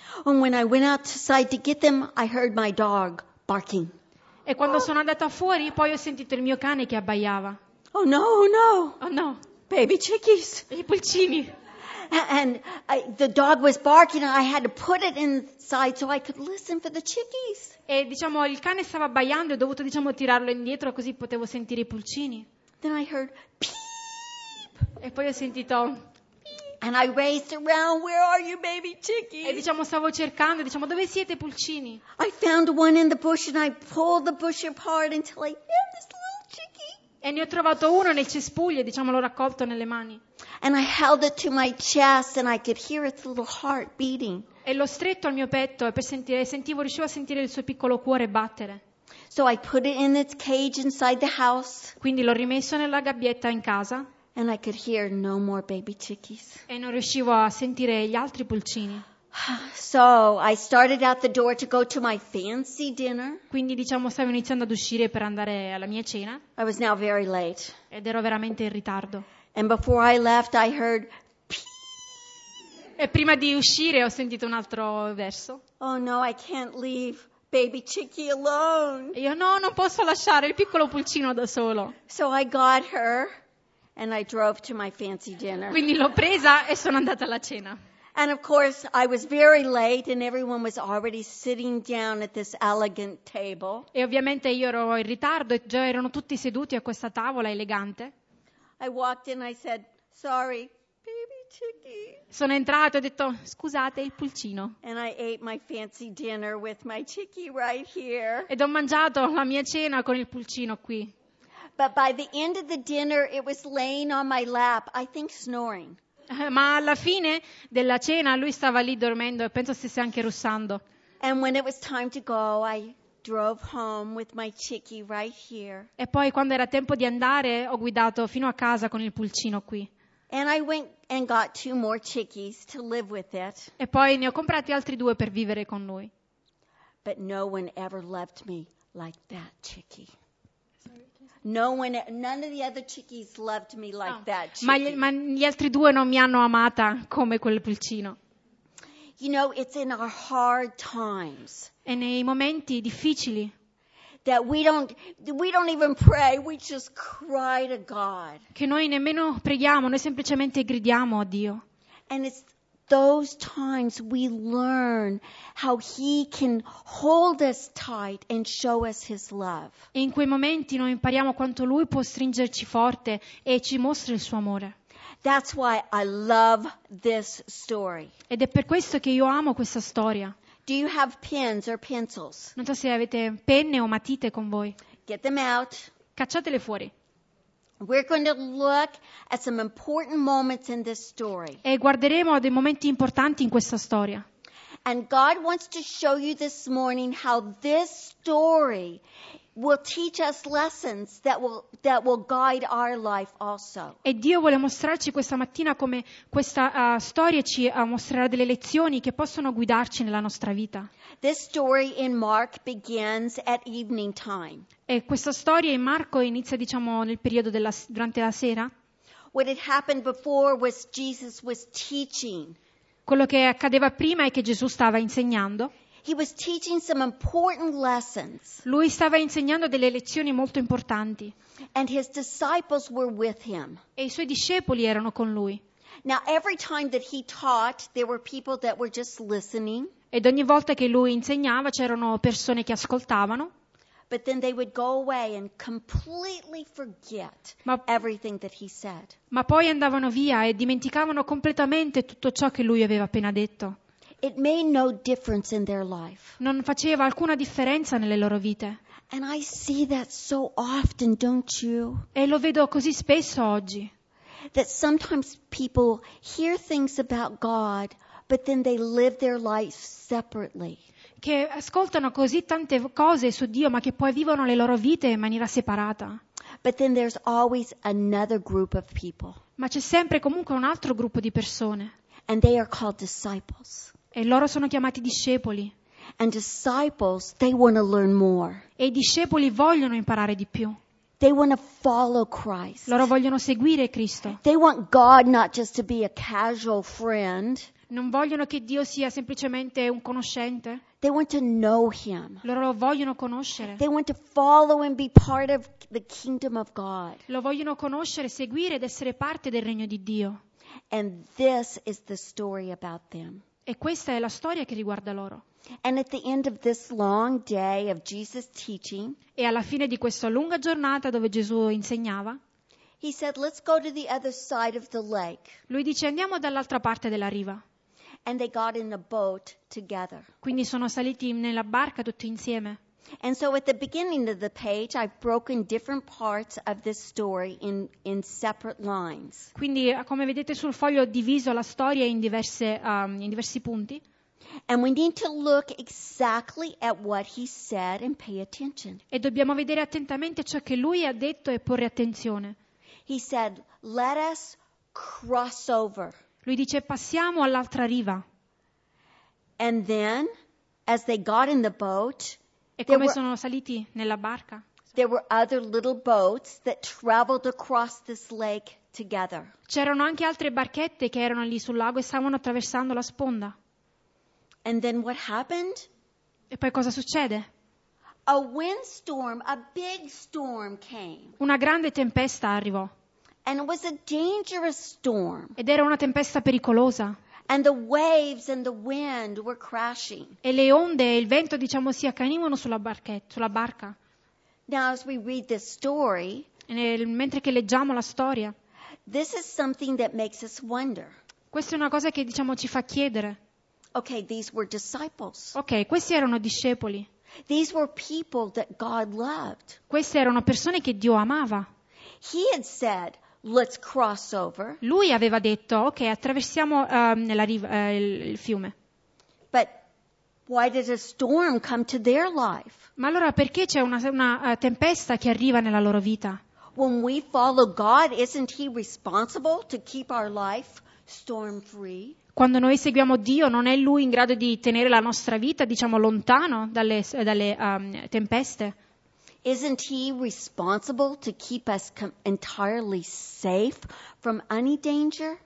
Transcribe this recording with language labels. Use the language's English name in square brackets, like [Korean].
[English] And when I went outside to get them, I heard my dog barking. [Italian] E quando sono andata fuori, poi ho sentito il mio cane che abbaiava. [English] Oh no, oh no. Oh no. Baby chickies. [Italian] I pulcini. [English] And the dog was barking and I had to put it inside so I could listen for the chickies. [Italian] E diciamo il cane stava abbaiando e ho dovuto diciamo tirarlo indietro così potevo sentire i pulcini. [English] Then I heard pii. [Italian] E poi ho sentito. [English] And I raced around, where are you, baby chickies? [Italian] E diciamo stavo cercando, diciamo dove siete pulcini? [English] I found one in the bush and I pulled the bush apart until I found this little chickie. [Italian] E ne ho trovato uno nel cespuglio, diciamo l'ho raccolto nelle mani. [English] And I held it to my chest and I could hear its little heart beating. [Italian] E l'ho stretto al mio petto e riuscivo a sentire il suo piccolo cuore battere. [English] So I put it in its cage inside the house. [Italian] Quindi l'ho rimesso nella gabbietta in casa. [English] And I could hear no more baby chickies. [Italian] E non riuscivo a sentire gli altri pulcini. [English] So I started out the door to go to my fancy dinner. [Italian] Quindi diciamo stavo iniziando ad uscire per andare alla mia cena. [English] I was now very late. [Italian] Ed ero veramente in ritardo. [English] And before I left, I heard. [Italian] E prima di uscire ho sentito un altro verso. [English] Oh no, I can't leave baby chickie alone. [Italian] Io no, non posso lasciare il piccolo pulcino da solo. [English] So I got her. And I drove to my fancy dinner. [Italian] Quindi l'ho presa e sono andata alla cena. [English] And of course, I was very late and everyone was already sitting down at this elegant table. [Italian] E ovviamente io ero in ritardo e già erano tutti seduti a questa tavola elegante. [English] I walked in, I said, "Sorry, baby chickie." [Italian] Sono entrato e ho detto, "Scusate, il pulcino." [English] And I ate my fancy dinner with my chickie right here. [Italian] Ed ho mangiato la mia cena con il pulcino qui. [English] But by the end of the dinner, it was laying on my lap, I think snoring. [Italian] Ma alla fine della cena lui stava lì dormendo e penso stesse anche russando. [English] And when it was time to go, I drove home with my chickie right here. [Italian] E poi quando era tempo di andare ho guidato fino a casa con il pulcino qui. [English] And I went and got two more chickies to live with it. [Italian] E poi ne ho comprati altri due per vivere con lui. [English] But no one ever loved me like that chickie. No one, none of the other chickies loved me like that chickie. [Italian] Ma gli altri due non mi hanno amata come quel pulcino. [English] You know, it's in our hard times. [Italian] E nei momenti difficili. [English] That we don't even pray, we just cry to God. [Italian] Che noi nemmeno preghiamo, noi semplicemente gridiamo a Dio. [English] And it's those times we learn how he can hold us tight and show us his love. [Italian] E in quei momenti noi impariamo quanto lui può stringerci forte e ci mostra il suo amore. [English] That's why I love this story. [Italian] Ed è per questo che io amo questa storia. [English] Do you have pens or pencils? [Italian] Non so se avete penne o matite con voi. [English] Get them out. [Italian] Cacciatele fuori. [English] We're going to look at some important moments in this story. [Italian] E guarderemo dei momenti importanti in questa storia. [English] And God wants to show you this morning how this story will teach us lessons that will guide our life also. [Italian] E Dio vuole mostrarci questa mattina come questa storia ci mostrerà delle lezioni che possono guidarci nella nostra vita. [English] This story in Mark begins at evening time. [Italian] E questa storia in Marco inizia, diciamo, nel periodo della durante la sera. [English] What had happened before was Jesus was teaching. [Italian] Quello che accadeva prima è che Gesù stava insegnando. [English] He was teaching some important lessons. [Italian] Lui stava insegnando delle lezioni molto importanti. [English] And his disciples were with him. [Italian] E i suoi discepoli erano con lui. [English] Now every time that he taught, there were people that were just listening. [Italian] Ed ogni volta che lui insegnava c'erano persone che ascoltavano. [English] But then they would go away and completely forget everything that he said. [Italian] Ma poi andavano via e dimenticavano completamente tutto ciò che lui aveva appena detto. [English] It made no difference in their life. [Italian] Non faceva alcuna differenza nelle loro vite. [English] And I see that so often, don't you? [Italian] E lo vedo così spesso oggi. [English] That sometimes people hear things about God, but then they live their life separately. [Italian] Che ascoltano così tante cose su Dio, ma che poi vivono le loro vite in maniera separata. [English] But then there's always another group of people. [Italian] Ma c'è sempre comunque un altro gruppo di persone. [English] And they are called disciples. [Italian] E loro sono chiamati discepoli. [English] And disciples, they want to learn more. [Italian] E i discepoli vogliono imparare di più. [English] They want to follow Christ. [Italian] Loro vogliono seguire Cristo. [English] They want God not just to be a casual friend. [Italian] Non vogliono che Dio sia semplicemente un conoscente. [English] They want to know him. [Italian] Loro lo vogliono conoscere. [English] They want to follow and be part of the kingdom of God. [Italian] Lo vogliono conoscere, seguire ed essere parte del regno di Dio. [English] And this is the story about them. [Italian] E questa è la storia che riguarda loro. [English] And at the end of this long day of Jesus teaching, [Italian] e alla fine di questa lunga giornata dove Gesù insegnava, [English] he said, "Let's go to the other side of the lake." [Italian] Lui dice, andiamo dall'altra parte della riva. [English] And they got in a boat together. [Italian] Quindi sono saliti nella barca tutti insieme. [English] And so at the beginning of the page, I've broken different parts of this story in separate lines. [Italian] Quindi, come vedete sul foglio, ho diverso la storia in diversi punti. [English] And we need to look exactly at what he said and pay attention. [Italian] E dobbiamo vedere attentamente ciò che lui ha detto e porre attenzione. [English] He said, "Let us cross over." [Italian] Lui dice, passiamo all'altra riva. [English] And then, as they got in the boat, [Italian] e come sono saliti nella barca? [English] There were other little boats that traveled across this lake together. [Italian] C'erano anche altre barchette che erano lì sul lago e stavano attraversando la sponda. [English] And then what happened? [Italian] E poi cosa succede? [English] A windstorm, a big storm came. [Italian] Una grande tempesta arrivò. [English] And it was a dangerous storm. [Italian] Ed era una tempesta pericolosa. [English] And the waves and the wind were crashing. [Italian] E le onde e il vento, diciamo, si accanivano sulla barca. [English] Now as we read this story, [Italian] mentre che leggiamo la storia, [English] this is something that makes us wonder. [Italian] Questa è una cosa che, diciamo, ci fa chiedere. [English] Okay, these were disciples. [Italian] Okay, questi erano discepoli. [English] These were people that God loved. [Italian] Queste erano persone che Dio amava. [English] He had said, "Let's cross over." [Italian] Lui aveva detto, ok, attraversiamo nella riva, il fiume. [English] But why did a storm come to their life? [Italian] Ma allora perché c'è una tempesta che arriva nella loro vita? [English] When we follow God, isn't He responsible to keep our life storm-free? [Italian] Quando noi seguiamo Dio, non è Lui in grado di tenere la nostra vita, diciamo, lontano dalle tempeste? [English] Isn't He responsible to keep us entirely safe from any danger?